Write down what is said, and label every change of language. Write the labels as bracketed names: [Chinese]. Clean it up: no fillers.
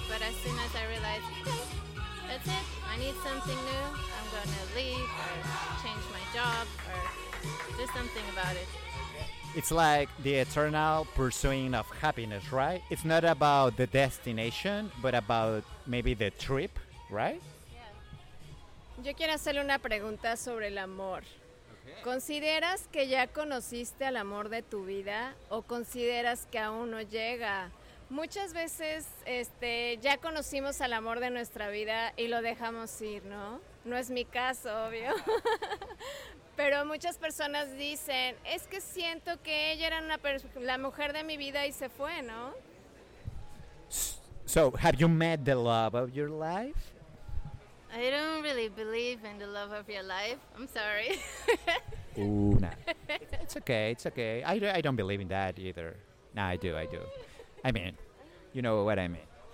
[English] But as soon as I realized, that's it. I need something new. I'm gonna leave or change my job or do something about it. It's like the eternal pursuing of happiness, right? It's not about the destination, but about maybe the trip, right? [Spanish] Yo quiero hacerle una pregunta sobre el amor. ¿Consideras que ya conociste al amor de tu vida o consideras que aún no llega? Muchas veces ya conocimos al amor de nuestra vida y lo dejamos ir, ¿no? No es mi caso, obvio. Pero muchas personas dicen, es que siento que ella era la mujer de mi vida y se fue, ¿no? [English] So, have you met the love of your life? I don't really believe in the love of your life. I'm sorry. Ooh, nah. It's okay. I don't believe in that either. Nah, I do. I mean, you know what I mean.